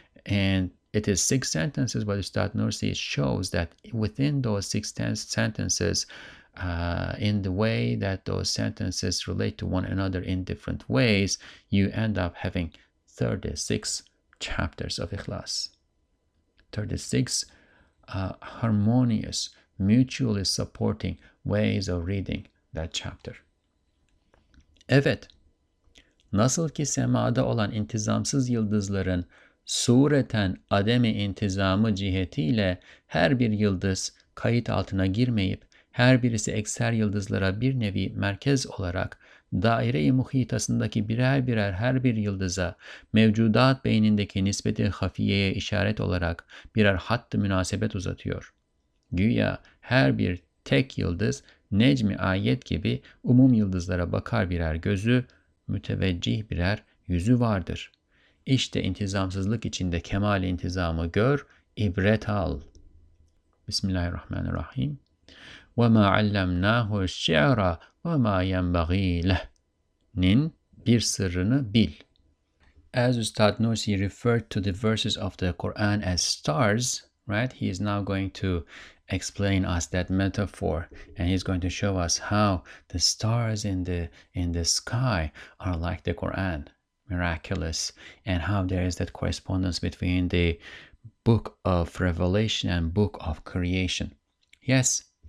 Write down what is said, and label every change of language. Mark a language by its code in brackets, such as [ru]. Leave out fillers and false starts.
[en] And it is six sentences, but you start noticing it shows that within those six sentences, in the way that those sentences relate to one another in different ways, you end up having 36 chapters of Ikhlas. 36 harmonious, mutually supporting ways of reading that chapter. [tr] Evet, nasıl ki semada olan intizamsız yıldızların sureten ademi intizamı cihetiyle her bir yıldız kayıt altına girmeyip her birisi ekser yıldızlara bir nevi merkez olarak daire-i muhitasındaki birer birer her bir yıldıza mevcudat beynindeki nispeti hafiyeye işaret olarak birer hattı münasebet uzatıyor. Güya her bir tek yıldız necmi ayet gibi umum yıldızlara bakar birer gözü, müteveccih birer yüzü vardır. İşte intizamsızlık içinde kemal intizamı gör, ibret al. [ar] Bismillahirrahmanirrahim. وَمَا عَلَّمْنَاهُ الشِّعْرَ وَمَا يَنْبَغِي لَهُ'nin [tr] bir sırrını bil. [en] As Ustad Nursi referred to the verses of the Quran as stars, right? He is now going to explain us that metaphor, and he's going to show us how the stars in the sky are like the Quran, miraculous, and how there is that correspondence between the book of Revelation and book of creation. Yes.